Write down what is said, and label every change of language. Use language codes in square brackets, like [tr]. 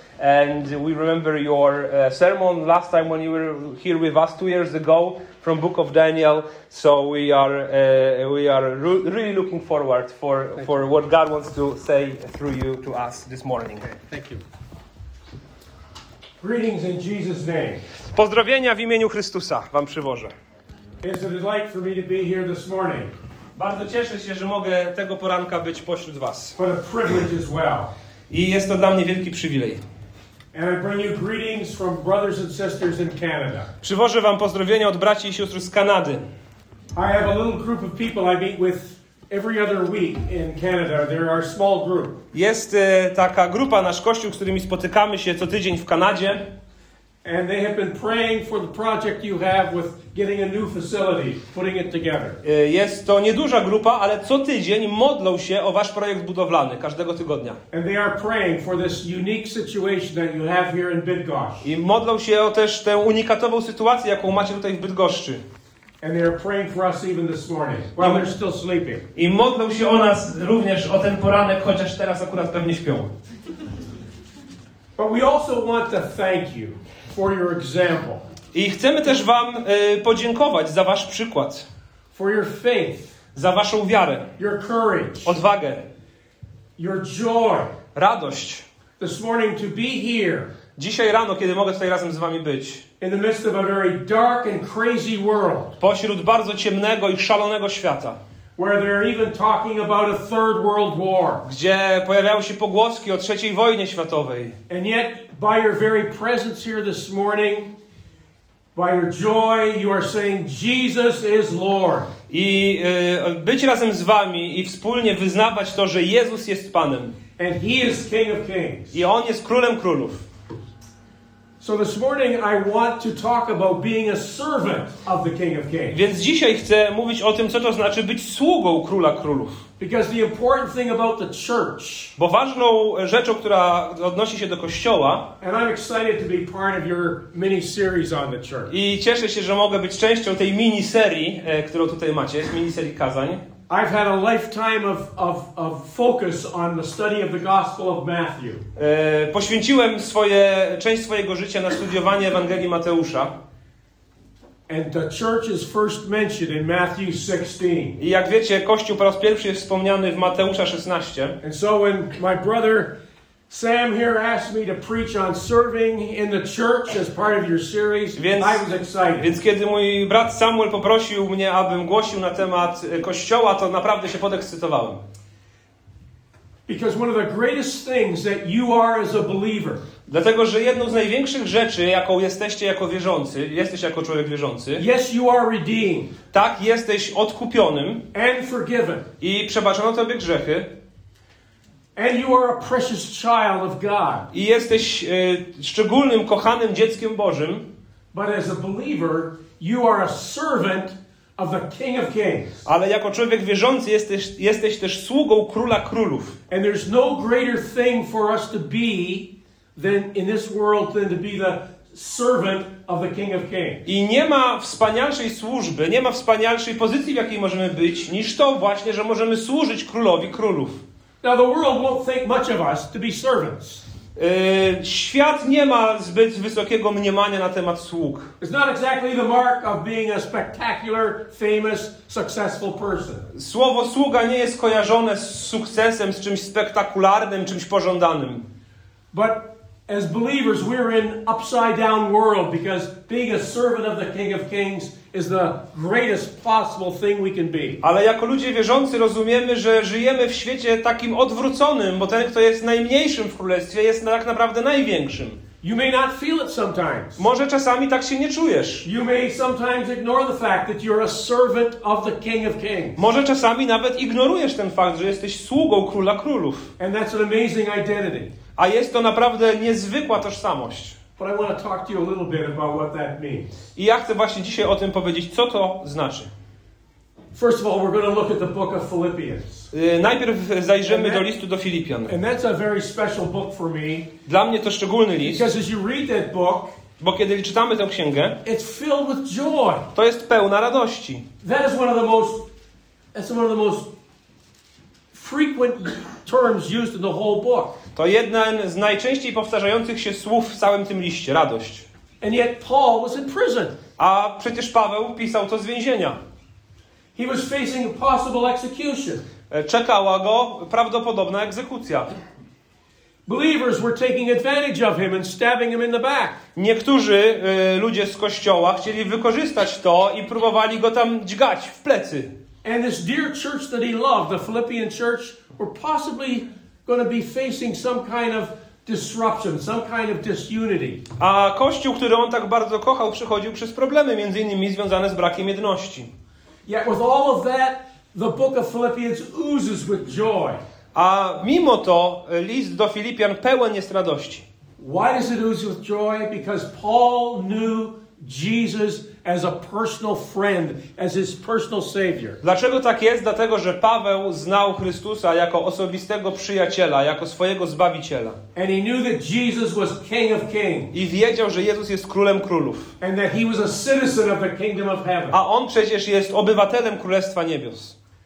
[en] And we remember your sermon last time when you were here with us 2 years ago from Book of Daniel. So we are really looking forward for what God wants to say through you to us this morning. Okay, thank you. Greetings in Jesus' name. [pl] Pozdrowienia w imieniu Chrystusa wam przywożę. [en] It's a delight for me to be here this morning. [pl] Bardzo cieszę się, że mogę tego poranka być pośród was. [en] What a privilege as well. [pl] I jest to dla mnie wielki przywilej. [en] And I bring you greetings from brothers and sisters in Canada. [pl] Przywożę wam pozdrowienia od braci i sióstr z Kanady. [en] I have a little group of people I meet with every other week in Canada. They're our small group. [pl] Jest taka grupa, nasz kościół, z którymi spotykamy się co tydzień w Kanadzie. [en] And they have been praying for the project you have with getting a new facility, putting it together. [pl] Jest to nieduża grupa, ale co tydzień modlą się o wasz projekt budowlany każdego tygodnia. [en] And they are praying for this unique situation that you have here in Bydgoszcz. [pl] I modlą się o też tę unikatową sytuację, jaką macie tutaj w Bydgoszczy. [en] And they are praying for us even this morning while they're still sleeping. [pl] I modlą się o nas również o ten poranek, chociaż teraz akurat pewnie śpią. [en] But we also want to thank you for your example. [pl] I chcemy też wam podziękować za wasz przykład. [en] For your faith. [pl] Za waszą wiarę. [en] Your courage. [pl] Odwagę. [en] Your joy. [pl] Radość. [en] This morning to be here. [pl] Dzisiaj rano, kiedy mogę tutaj razem z wami być. [en] In the midst of a very dark and crazy world. [pl] Pośród bardzo ciemnego i szalonego świata. [en] Where they're even talking about a third world war. [pl] Gdzie pojawiają się pogłoski o trzeciej wojnie światowej. [en] And yet, by your very presence here this morning, by your joy, you are saying Jesus is Lord. [pl] I być razem z wami i wspólnie wyznawać to, że Jezus jest Panem. [en] And he is King of Kings. [pl] I on jest Królem Królów. [en] So this morning I want to talk about being a servant of the King of Kings. [pl] Więc dzisiaj chcę mówić o tym, co to znaczy być sługą Króla Królów. [en] Because the important thing about the church. [pl] Bo ważną rzeczą, która odnosi się do kościoła. [en] And I'm excited to be part of your mini series on the church. [pl] I cieszę się, że mogę być częścią tej mini serii, którą tutaj macie, mini serii kazań. [en] I've had a lifetime of focus on the study of the Gospel of Matthew. [pl] Poświęciłem część swojego życia na studiowanie Ewangelii Mateusza. [en] And the church is first mentioned in Matthew 16. [pl] I jak wiecie, kościół po raz pierwszy jest wspomniany w Mateusza 16. [en] And so when my brother Sam here asked me to preach on serving in the church as part of your series. I was excited. [pl] Więc kiedy mój brat Samuel poprosił mnie, abym głosił na temat kościoła, to naprawdę się podekscytowałem. [en] Because one of the greatest things that you are as a believer. [pl] Dlatego, że jedną z największych rzeczy, jaką jesteście jako wierzący, jesteś jako człowiek wierzący. [en] Yes, you are redeemed. [pl] Tak, jesteś odkupionym. [en] And forgiven. [pl] I przebaczono tobie grzechy. [en] And you are a precious child of God. [pl] I jesteś szczególnym, kochanym dzieckiem Bożym. [en] But as a believer, you are a servant of the King of Kings. [pl] Ale jako człowiek wierzący jesteś też sługą Króla Królów. [en] And there's no greater thing for us to be than in this world than to be the servant of the King of Kings. [pl] I nie ma wspanialszej służby, nie ma wspanialszej pozycji, w jakiej możemy być, niż to właśnie, że możemy służyć Królowi Królów. [en] Now the world won't think much of us to be servants. [pl] Świat nie ma zbyt wysokiego mniemania na temat sług. [en] It's not exactly the mark of being a spectacular, famous, successful person. [pl] Słowo sługa nie jest kojarzone z sukcesem, z czymś spektakularnym, czymś pożądanym. [en] But as believers, we're in upside down world because being a servant of the King of Kings is the greatest possible thing we can be. [pl] Ale jako ludzie wierzący rozumiemy, że żyjemy w świecie takim odwróconym, bo ten, kto jest najmniejszym w królestwie, jest tak naprawdę największym. [en] You may not feel it sometimes. [pl] Może czasami tak się nie czujesz. [en] You may sometimes ignore the fact that you're a servant of the King of Kings. [pl] Może czasami nawet ignorujesz ten fakt, że jesteś sługą Króla Królów. [en] And that's an amazing identity. [pl] A jest to naprawdę niezwykła tożsamość. [en] But I want to talk to you a little bit about what that means. [pl] I ja chcę właśnie dzisiaj o tym powiedzieć, co to znaczy. [en] First of all, we're going to look at the book of Philippians. [pl] Najpierw zajrzymy do listu do Filipian. [en] And that's a very special book for me. [pl] Dla mnie to szczególny list. [en] Because as you read that book, [pl] bo kiedy czytamy tę księgę, [en] it's filled with joy. [pl] To jest pełna radości. [en] That is one of the most, that's one of the most frequent terms used in the whole book. [pl] To jeden z najczęściej powtarzających się słów w całym tym liście, radość. [en] And yet Paul was in prison. [pl] A przecież Paweł pisał to z więzienia. [en] He was facing a possible execution. [pl] Czekała go prawdopodobna egzekucja. [en] Believers were taking advantage of him and stabbing him in the back. [pl] Niektórzy ludzie z kościoła chcieli wykorzystać to i próbowali go tam dźgać w plecy. [en] And this dear church that he loved, the Philippian church, were possibly going to be facing some kind of disruption, some kind of disunity. [pl] A kościół, który on tak bardzo kochał, przychodził przez problemy, między innymi związane z brakiem jedności. [en] Yet with all of that, the book of Philippians oozes with joy. [pl] A mimo to list do Filipian pełen jest radości. [en] Why does it ooze with joy? Because Paul knew Jesus as a personal friend, as his personal savior. [pl] Dlaczego tak jest? Dlatego, że Paweł znał Chrystusa jako osobistego przyjaciela, jako swojego zbawiciela. [en] And he knew that Jesus was King of Kings. [pl] I wiedział, że Jezus jest królem królów. [en] And that he was a citizen of the kingdom of heaven. [pl] A on przecież jest obywatelem królestwa niebios.